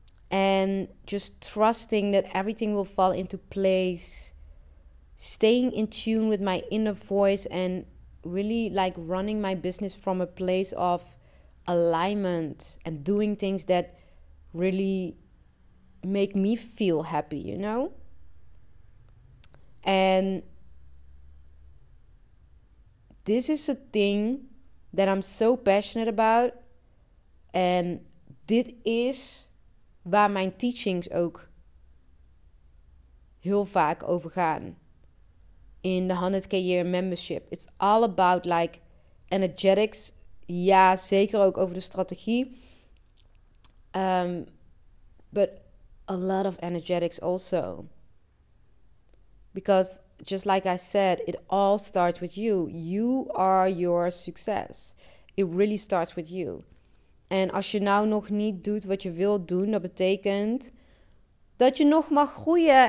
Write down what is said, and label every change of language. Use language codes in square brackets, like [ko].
[en] and just trusting that everything will fall into place, staying in tune with my inner voice and really like running my business from a place of alignment and doing things that really make me feel happy, you know? And this is a thing that I'm so passionate about. [nl] And dit is waar mijn teachings ook heel vaak over gaan. In de [en] 100k year membership. It's all about like energetics. [nl] Ja, zeker ook over de strategie. [en] But a lot of energetics also. Because just like I said, it all starts with you. You are your success. It really starts with you. [nl] En als je nou nog niet doet wat je wilt doen, dat betekent dat je nog mag groeien.